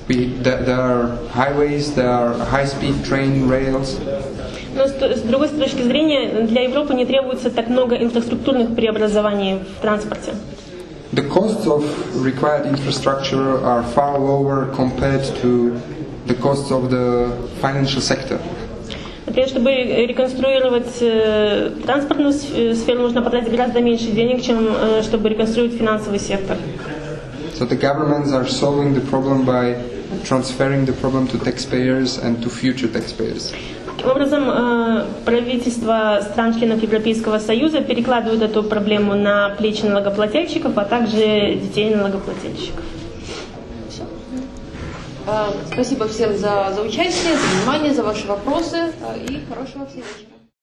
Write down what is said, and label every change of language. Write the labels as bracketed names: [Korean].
[English] There are highways, there are high-speed train rails. [Russian] Но с другой точки зрения, для Европы не требуется так много инфраструктурных преобразований в транспорте. [English] The costs of required infrastructure are far lower compared to the costs of the financial sector. [Russian] Например, чтобы реконструировать транспортную сферу, нужно потратить гораздо меньше денег, чем чтобы реконструировать финансовый сектор. [English] So the governments are solving the problem by transferring the problem to taxpayers and to future taxpayers. [Russian] Таким образом, правительства стран-членов Европейского Союза перекладывают эту проблему на плечи налогоплательщиков, а также детей налогоплательщиков. Спасибо всем за участие, за внимание, за ваши вопросы и хорошего всем вечера.